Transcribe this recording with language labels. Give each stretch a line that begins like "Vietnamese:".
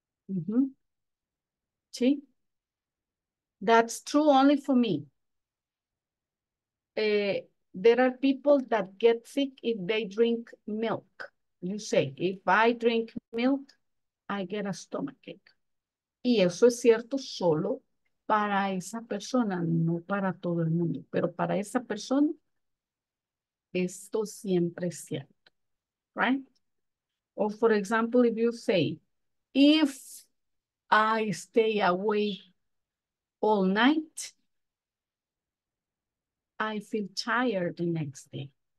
English: Mm-hmm. See? That's true only for me. There are people that get sick if they drink milk. You say, if I drink milk, I get a stomachache.
Spanish: Y eso es cierto solo para esa persona, no para todo el mundo. Pero para esa persona, esto siempre es cierto.
English: Right? Or for example, if you say, if I stay awake all night, I feel tired the next day.